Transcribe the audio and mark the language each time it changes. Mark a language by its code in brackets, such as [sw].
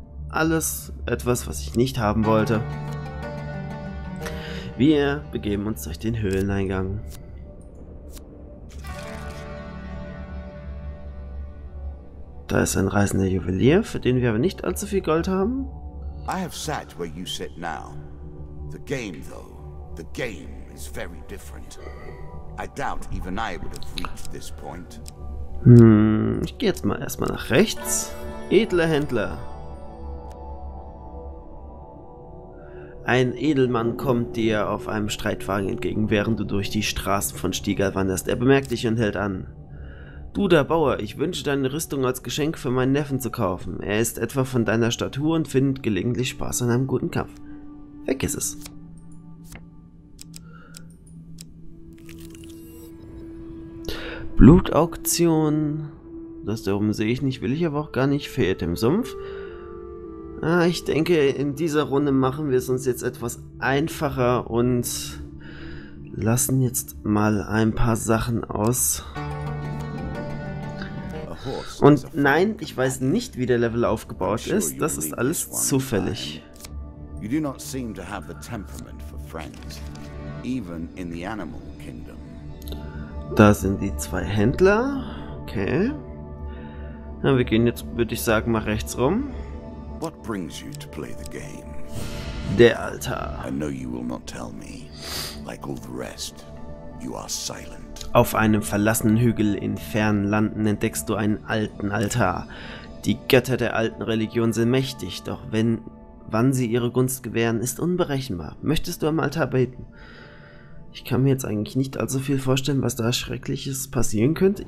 [de] Alles etwas, was ich nicht haben wollte. Wir begeben uns durch den Höhleneingang. Da ist ein reisender Juwelier, für den wir aber nicht allzu viel Gold haben. [en] I have sat where you sit now. The game, though, the game is very different. I doubt even I would have reached this point. [de] Ich gehe jetzt mal erstmal nach rechts. Edler Händler. Ein Edelmann kommt dir auf einem Streitwagen entgegen, während du durch die Straßen von Stiegal wanderst. Er bemerkt dich und hält an. Du, der Bauer, ich wünsche deine Rüstung als Geschenk für meinen Neffen zu kaufen. Er ist etwa von deiner Statur und findet gelegentlich Spaß an einem guten Kampf. Weg ist es. Blutauktion. Das da oben sehe ich nicht, will ich aber auch gar nicht. Fehlt im Sumpf. Ah, ich denke, in dieser Runde machen wir es uns jetzt etwas einfacher und lassen jetzt mal ein paar Sachen aus. Und nein, ich weiß nicht, wie der Level aufgebaut ist. Das ist alles zufällig. [en] You do not seem to have the temperament for friends, even in the animal kingdom. [de] Da sind die zwei Händler. Okay. Na, wir gehen jetzt, würde ich sagen, mal rechts rum. [en] What brings you to play the game? [de] Der Altar. [en] I know you will not tell me. Like all the rest, you are silent. [de] Auf einem verlassenen Hügel in fernen Landen entdeckst du einen alten Altar. Die Götter der alten Religion sind mächtig, doch wann sie ihre Gunst gewähren, ist unberechenbar. Möchtest du am Altar beten? Ich kann mir jetzt eigentlich nicht allzu viel vorstellen, was da Schreckliches passieren könnte.